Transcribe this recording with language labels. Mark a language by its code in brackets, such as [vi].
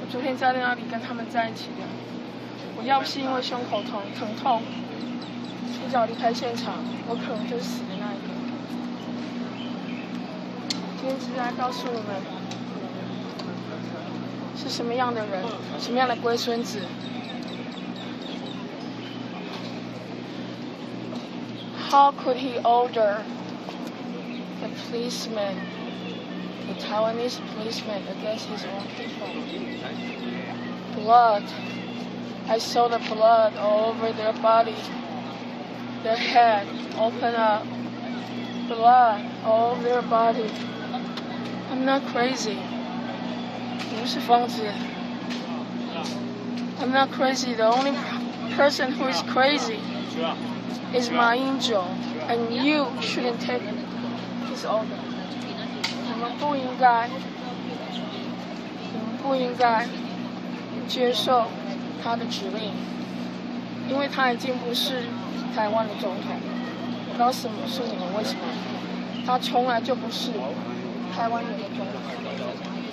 [zh] 我昨天在那里跟他们在一起的，我要不是因为胸口疼痛，一脚离开现场，我可能就死的那一个。今天只是来告诉你们，是什么样的人，什么样的龟孙子。 [en] How could he order the policeman, the Taiwanese policeman, against his own people? Blood. I saw the blood all over their body. Their head opened up. Blood all over their body. I'm not crazy. [zh] 不是疯子。 [en] I'm not crazy. The only person who is crazy. Is my angel, and you shouldn't take his order. [zh] 你们不应该，你们不应该接受他的指令，因为他已经不是台湾的总统。我告诉你们，是你们为什么？他从来就不是台湾人的总统。